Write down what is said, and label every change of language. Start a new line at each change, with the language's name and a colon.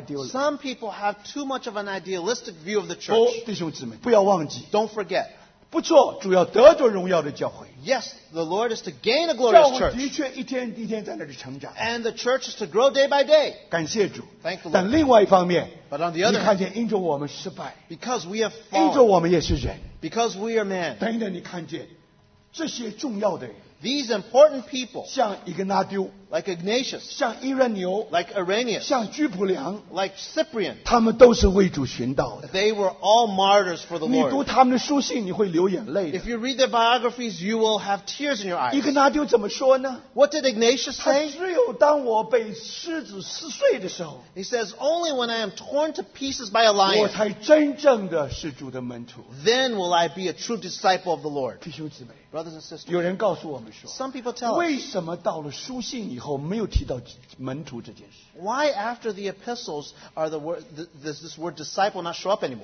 English: Some people have too much of an idealistic view of the church.
Chinese: 弟兄姊妹，不要忘记。
English: Don't forget.
Chinese: 不错，主要得着荣耀的教会。
English: Yes, the Lord is to gain a glorious church.
Chinese: 教会的确一天一天在那里成长。
English: And the church is to grow day by day.
Chinese: 感谢主。
English: Thank the Lord.
Chinese: 但另外一方面,
English: but on the other hand,
Chinese: 你看见因着我们失败,
English: because we have fallen,
Chinese: 因着我们也是人,
English: because we are man,
Chinese: 等等你看见这些重要的人,
English: these important people,
Chinese: 像伊格纳丢,
English: like Ignatius,
Chinese: 像伊任纽,
English: like Irenaeus,
Chinese: 像居普良,
English: like Cyprian,
Chinese: 他们都是为主寻道的。
English: They were all martyrs for the Lord.
Chinese: 你读他们的书信, 你会流眼泪的。
English: If you read their biographies, you will have tears in your eyes.
Chinese: 伊格纳丢怎么说呢?
English: What did Ignatius say?
Chinese: 他只有当我被狮子撕碎的时候,
English: he says, only when I am torn to pieces by a lion,
Chinese: 我才真正的是主的门徒,
English: then will I be a true disciple of the Lord.
Chinese: 弟兄姊妹,
English: brothers and sisters,
Chinese: 有人告诉我们说,
English: some people tell us,
Chinese: 为什么到了书信, 以后没有提到门徒这件事。
English: Why after the epistles are the word this word disciple not show up anymore?